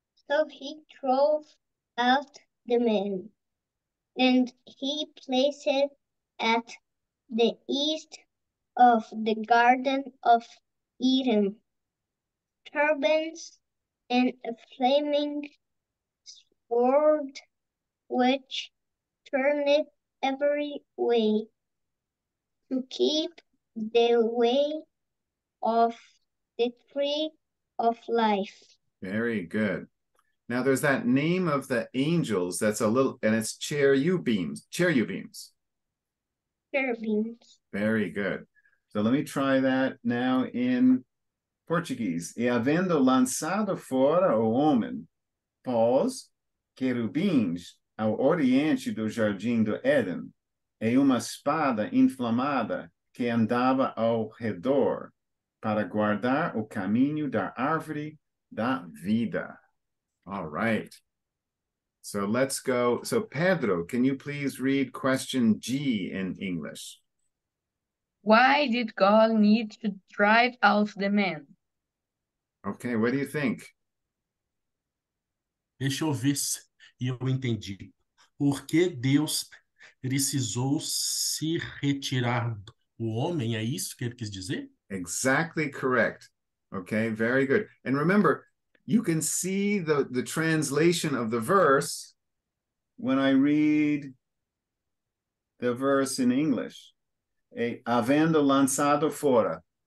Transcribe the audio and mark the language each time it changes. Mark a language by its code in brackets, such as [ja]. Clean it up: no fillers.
[en] So he drove out the men, and he placed it at the east of the Garden of Eden, turbans and a flaming sword which turned every way to keep the way of the tree of life. Very good. Now there's that name of the angels that's a little, and it's cherubims, cherubims. Cherubims. Very good. So let me try that now in Portuguese. [pt] E havendo lançado fora o homem, pôs querubins ao oriente do jardim do Éden, e uma espada inflamada que andava ao redor para guardar o caminho da árvore da vida. [en] All right, so let's go. So Pedro, can you please read question G in English? Why did God need to drive out the man? Okay, what do you think? [pt] Deixa eu ver se eu entendi. Por que Deus precisou se retirar o homem? É isso que ele quis dizer? [en] Exactly correct. Okay, very good. And remember, you can see the translation of the verse when I read the verse in English. [pt] Havendo lançado fora.